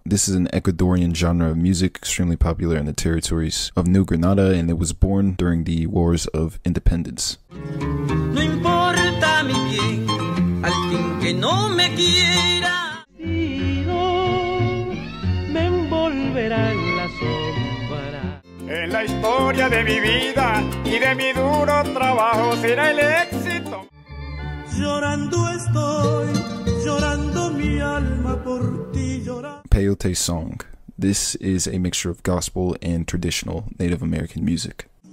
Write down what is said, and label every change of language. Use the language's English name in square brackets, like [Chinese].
[English] This is an Ecuadorian genre of music extremely popular in the territories of New Granada, and it was born during the Wars of Independence. [Spanish] No importa mi bien, al fin que no me quiera. Vacilo, me envolverán la sombra. En la historia de mi vida y de mi duro trabajo será el éxito. Llorando estoy, llorando mi alma por ti llorando. [English] Peyote Song. This is a mixture of gospel and traditional Native American music.